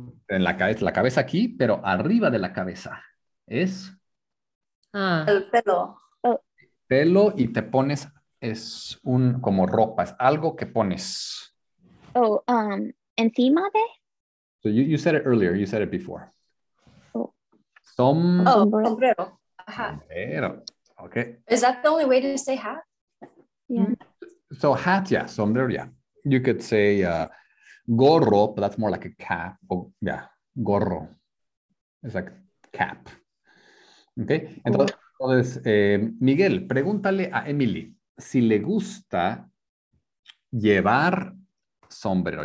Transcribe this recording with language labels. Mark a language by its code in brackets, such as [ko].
[es] En la cabeza aquí, pero arriba de la cabeza es... El pelo. Pelo y te pones, es un como ropa, es algo que pones. Oh, encima de... [en] So you said it earlier, you said it before. Oh. [es] Sombrero. Sombrero. Okay. [en] Is that the only way to say hat? Yeah. So hat, yeah, sombrero, yeah. You could say gorro, but that's more like a cap. Oh, yeah, gorro. It's like cap. Okay. [es] Entonces, Miguel, pregúntale a Emily si le gusta llevar sombrero.